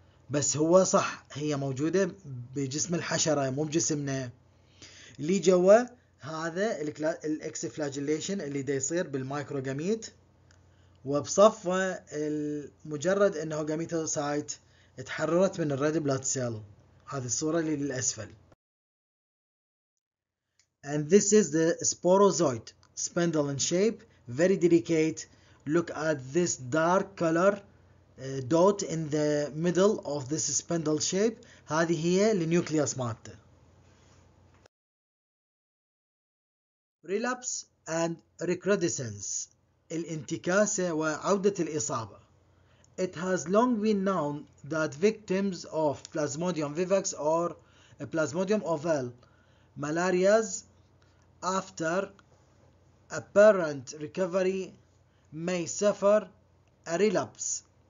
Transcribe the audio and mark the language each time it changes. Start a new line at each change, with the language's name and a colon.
Arabic: بس هو صح هي موجودة بجسم الحشرة مو بجسمنا. اللي جوا هذا الاكس فلاجيليشن اللي دا يصير بالمايكروجاميت وبصفة مجرد انه جاميتوسايت اتحررت من الريد بلاد سيل. هذه الصورة اللي للأسفل.
English: And this is the sporozoid spindle in shape, very delicate. Look at this dark color dot in the middle of this spindle shape.
Arabic: هذه هي النيوكليوس مالته.
English: Relapse and recrudescence.
Arabic: الانتكاسة وعودة الإصابة.
English: It has long been known that victims of Plasmodium vivax or Plasmodium ovale malarias after apparent recovery may suffer a relapse.